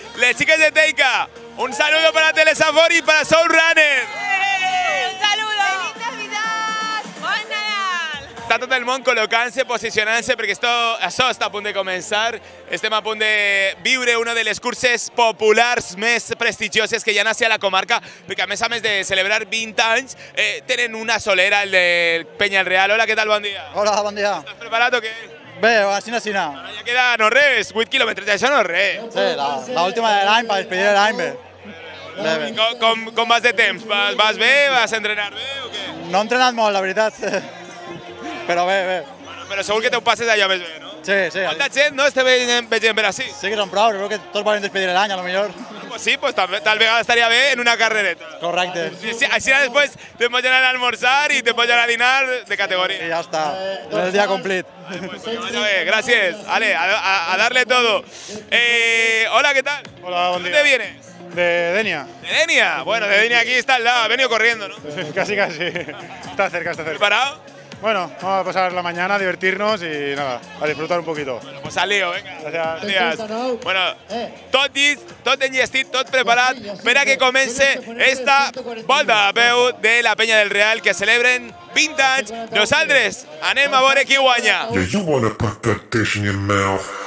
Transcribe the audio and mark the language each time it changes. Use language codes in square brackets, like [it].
[es] Les chicas de Teika, un saludo para Telesafor y para Soul Runner. ¡Un saludo! ¡Feliz Navidad! ¡Buen Nadal! Está todo el mundo colocándose, posicionándose, porque esto está a punto de comenzar. [ca] Estem a punt de viure una de les curses populars més prestigioses que ja nació a la comarca, perquè a més de celebrar 20 anys, tenen una solera, el del Peñalreal. Hola, què tal, bon dia? Hola, bon dia. Estàs preparat o què? Bé, aixina, aixina. Ara ja queda no res, 8 quilòmetres, això no res. Sí, l'última de l'any, per despedir l'any, bé. Bé, bé. Com vas de temps? Vas bé? Vas entrenar bé o què? No he entrenat molt, la veritat. Però bé, bé. Però segur que te ho passes allò més bé, no? Sí, sí. Falta gent, no? Este veient per ací. Sí que són prou, crec que tots volen despedir l'any, a lo millor. Pues sí, pues tal vegada estaria bé en una carrereta. Correcte. Sí, així després te pots anar a almorzar i te pots anar a dinar de categoria. I ja està, és el dia complit. [es] Vale, pues, gràcies, vale, a darle todo. [ca] Hola, què tal? Hola, bon dia. [es] ¿Dónde vienes? De Denia. ¿De Denia? Bueno, de Denia aquí está al lado, ha venido corriendo, ¿no? Casi, casi. Está cerca, está cerca. ¿Preparado? Bueno, vamos a pasar la mañana, a divertirnos y nada, a disfrutar un poquito. Bueno, pues salió, venga. Gracias. Gracias. [ca] Bueno, tot enllestit, tot preparat, per a que comence esta volta a peu de la Peña del Real, que celebren 20 anys. Nosaltres anem a veure qui guanya. [en] Yeah, you wanna put that dish in your mouth.